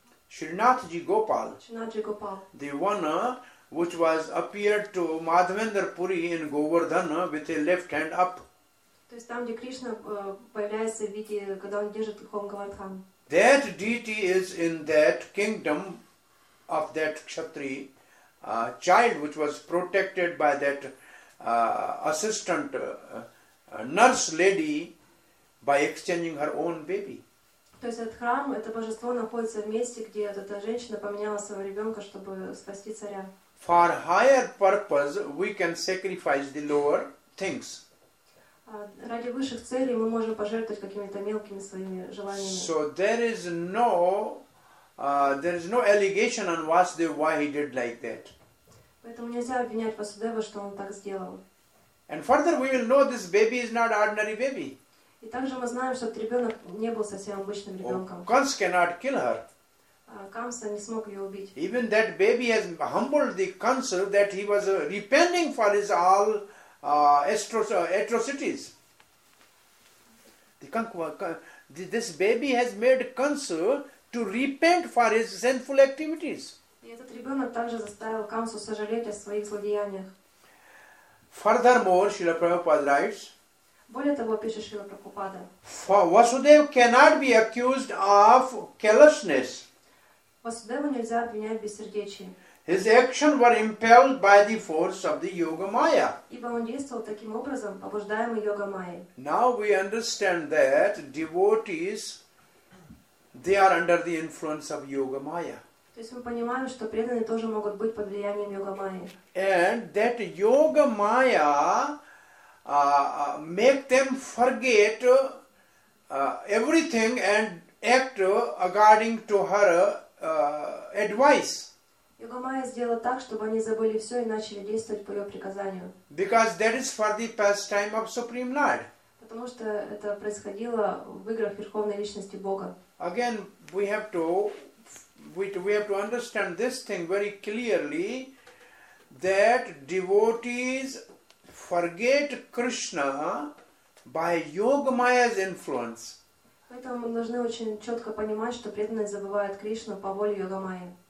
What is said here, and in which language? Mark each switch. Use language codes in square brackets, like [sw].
[en] Srinath Ji Gopal, the one which was appeared to Madhavendra Puri in Govardhan with a left hand up. [ru] То есть там, где Кришна появляется в виде, когда он держит Говардхан. [en] That deity is in that kingdom of that Kshatri child, which was protected by that assistant nurse lady by exchanging her own baby. [ru] То есть этот храм, это божество находится в месте, где эта женщина поменяла своего ребенка, чтобы спасти царя. [en] For higher purpose, we can sacrifice the lower things. [ru] Ради высших целей мы можем пожертвовать какими-то мелкими своими желаниями. [en] So there is no allegation on Vasudeva why he did like that. [ru] Поэтому нельзя обвинять Васудева, что он так сделал. [en] And further, we will know this baby is not ordinary baby. [ru] И также мы знаем, что этот ребенок не был совсем обычным ребенком. [en] Kans cannot kill her. [ru] Камса не смог ее убить. [en] Even that baby has humbled the Kans that he was repenting for his all atrocities. The Kans, this baby has made Kansu to repent for his sinful activities. [ru] И этот ребенок также заставил Кансу сожалеть о своих злодеяниях. [en] Furthermore, Srila Prabhupada writes, [ru] более того, пишет Шрила Прабхупада, [en] Vasudeva cannot be accused of callousness. [ru] Vasudeva нельзя обвинять в бессердечии. [en] His actions were impelled by the force of the Yoga Maya. [ru] Ибо он действовал таким образом, побуждаемый Йога Майей. [en] Now we understand that devotees, they are under the influence of Yoga Maya. [ru] То есть мы понимаем, что преданные тоже могут быть под влиянием Йога Майи. [en] And that Yoga Maya make them forget everything and act according to her advice. [ru] Йога Майя сделала так, чтобы они забыли все и начали действовать по ее приказанию. [en] Because that is for the pastime of Supreme Lord. [ru] Потому что это происходило в играх Верховной Личности Бога. [en] Again, we have to understand this thing very clearly, that devotees forget Krishna by Yoga Maya's influence. [ru] Поэтому мы должны очень четко понимать, что преданные забывают Кришну по воле Йога Майи.